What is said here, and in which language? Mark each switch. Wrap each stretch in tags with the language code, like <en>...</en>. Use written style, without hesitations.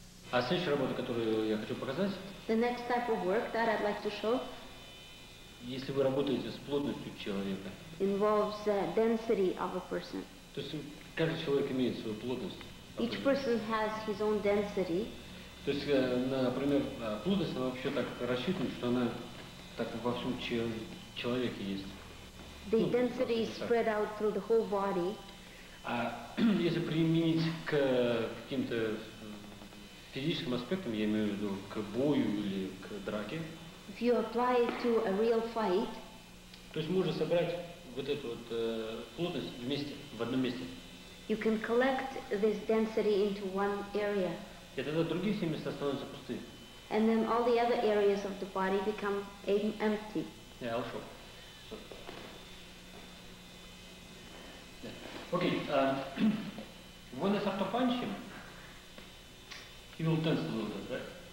<ru>А следующая работа, которую я хочу показать.</ru> <en>The next type of work that I'd like to show.</en> <ru>Если вы работаете с плотностью человека.</ru> <en>Involves density of a person.</en> <ru>То есть каждый человек имеет свою плотность.</ru> <en>Each person has his own density.</en> <ru>То есть, например, плотность она вообще так рассчитана, что она так во всем человеке есть.</ru> <en>The density is spread out through the whole body.</en> <ru>А если применить к каким-то физическим аспектом, я имею в виду к бою или к драке.</ru> <en>If you apply it to a real fight,</en> <ru>то есть можно собрать вот эту вот плотность вместе, в одном месте.</ru> <en>You can collect this density into one area.</en> <ru>И тогда другие все места становятся пусты.</ru> <en>And then all the other areas of the body become empty. Yeah, also. So. Yeah. Okay, when I start to punch him, he will tense a little bit, right?</en>